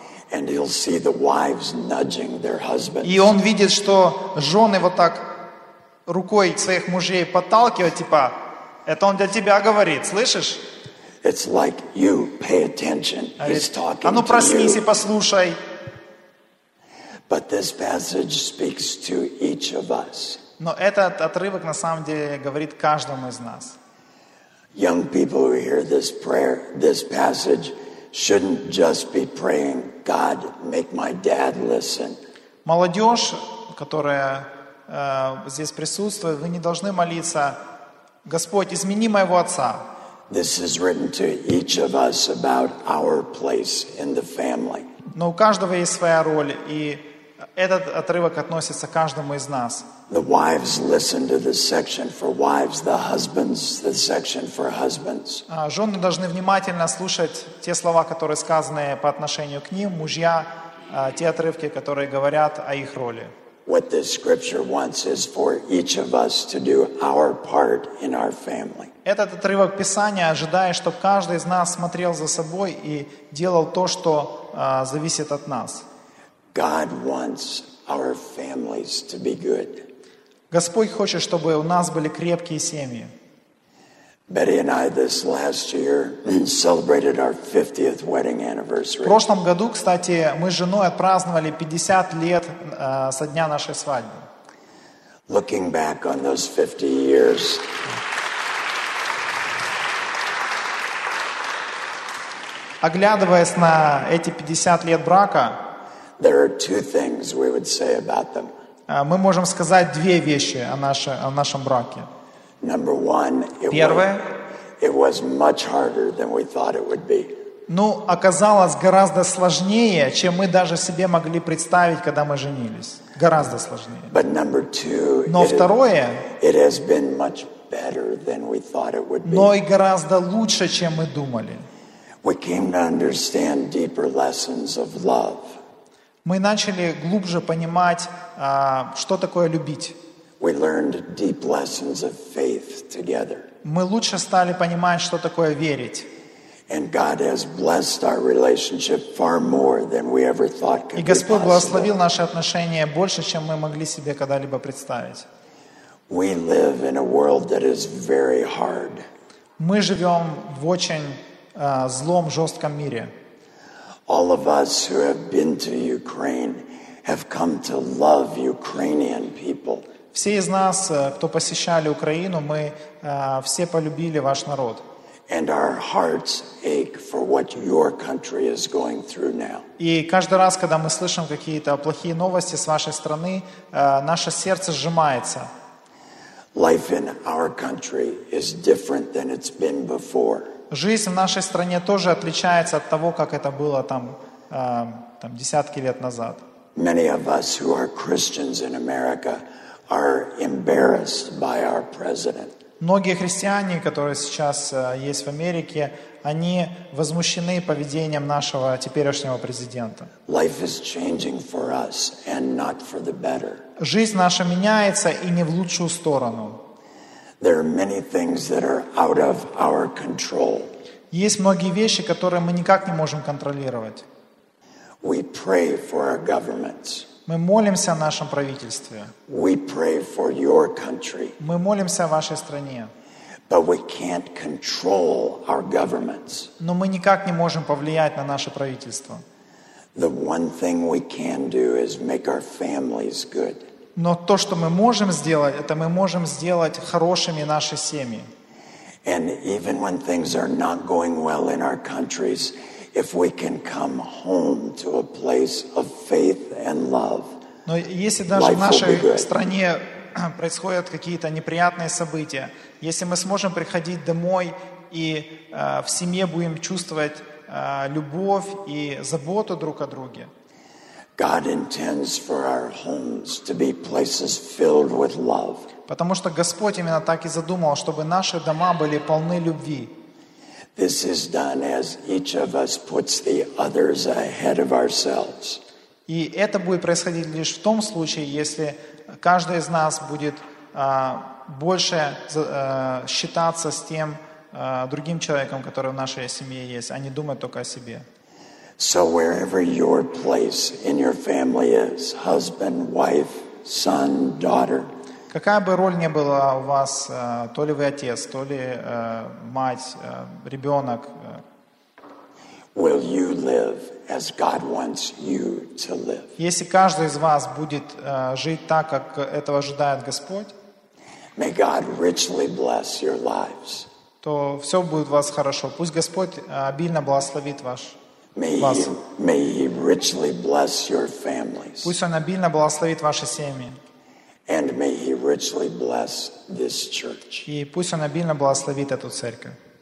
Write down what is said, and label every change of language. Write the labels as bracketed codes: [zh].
[en] And he'll see the wives nudging their husbands. [ru] И он видит, что жены вот так рукой своих мужей подталкивают, типа, это он для тебя говорит, слышишь? [en] It's like you pay attention. He's talking to you. [ru] А ну проснись и послушай. [en] But this passage speaks to each of us. [ru] Но этот отрывок на самом деле говорит каждому из нас. [en] Young people who hear this prayer, this passage, shouldn't just be praying, God, make my dad listen. [ru] Молодежь, которая здесь присутствует, вы не должны молиться, Господь, измени моего отца. [en] This is written to each of us about our place in the family. [ru] Но у каждого есть своя роль, и этот отрывок относится к каждому из нас. [en] The wives listen to this section for wives, the husbands, the section for husbands. [ru] Жены должны внимательно слушать те слова, которые сказаны по отношению к ним, мужья, те отрывки, которые говорят о их роли. [en] What this scripture wants is for each of us to do our part in our family. [ru] Этот отрывок Писания ожидает, чтобы каждый из нас смотрел за собой и делал то, что зависит от нас. [en] God wants our families to be good. [ru] Господь хочет, чтобы у нас были крепкие семьи. [en] Betty and I this last year celebrated our 50th wedding anniversary. [ru] В прошлом году, кстати, мы с женой отпраздновали 50 лет со дня нашей свадьбы. [en] Looking back on those 50 years, [ru] оглядываясь на эти 50 лет брака, [en] there are two things we would say about them. [ru] Мы можем сказать две вещи о нашем браке. [en] Number one, it was much harder than we thought it would be. [ru] Ну, оказалось гораздо сложнее, чем мы даже себе могли представить, когда мы женились. Гораздо сложнее. [en] But number two, [ru] но второе, [en] it has been much better than we thought it would be. [ru] Но и гораздо лучше, чем мы думали. [en] We came to understand deeper lessons of love. [ru] Мы начали глубже понимать, что такое любить. [en] We learned deep lessons of faith together. [ru] Мы лучше стали понимать, что такое верить. [en] And God has blessed our relationship far more than we ever thought could be possible. [ru] И Господь благословил наши отношения больше, чем мы могли себе когда-либо представить. [en] We live in a world that is very hard. [ru] Мы живем в очень злом, жестком мире. [en] All of us who have been to Ukraine have come to love Ukrainian people. [ru] Все из нас, кто посещали Украину, мы все полюбили ваш народ. [en] And our hearts ache for what your country is going through now. [ru] И каждый раз, когда мы слышим какие-то плохие новости с вашей страны, наше сердце сжимается. [en] Life in our country is different than it's been before. [ru] Жизнь в нашей стране тоже отличается от того, как это было там десятки лет назад. [en] Many of us who are Christians in America are embarrassed by our president. [ru] Многие христиане, которые сейчас есть в Америке, они возмущены поведением нашего теперешнего президента. [en] Life is changing for us and not for the better. [ru] Жизнь наша меняется и не в лучшую сторону. [en] There are many things that are out of our control. [ru] Есть многие вещи, которые мы никак не можем контролировать. [en] We pray for our governments. [ru] Мы молимся о нашем правительстве. [en] We pray for your country. [ru] Мы молимся о вашей стране. [en] But we can't control our governments. [ru] Но мы никак не можем повлиять на наше правительство. [en] The one thing we can do is make our families good. [ru] Но то, что мы можем сделать, это мы можем сделать хорошими наши семьи. [en] And even when things are not going well in our countries, if we can come home to a place of faith and love. [ru] Но если даже в нашей стране происходят какие-то неприятные события, если мы сможем приходить домой и в семье будем чувствовать любовь и заботу друг о друге. [en] God intends for our homes to be places filled with love. [ru] Потому что Господь именно так и задумал, чтобы наши дома были полны любви. [en] This is done as each of us puts the others ahead of ourselves. [ru] И это будет происходить лишь в том случае, если каждый из нас будет больше считаться с тем другим человеком, который в нашей семье есть, а не думать только о себе. [en] So wherever your place in your family is, husband, wife, son, daughter. [ru] Какая бы роль ни была у вас, то ли вы отец, то ли мать, ребенок. [en] Will you live as God wants you to live? [ru] Если каждый из вас будет жить так, как этого ожидает Господь, [en] may God richly bless your lives. [ru] То все будет у вас хорошо. Пусть Господь обильно благословит ваш. [en] May he richly bless your families. [ru] Пусть Он обильно благословит ваши семьи. [en] And may he richly bless this church. [ru] И пусть Он обильно благословит эту церковь.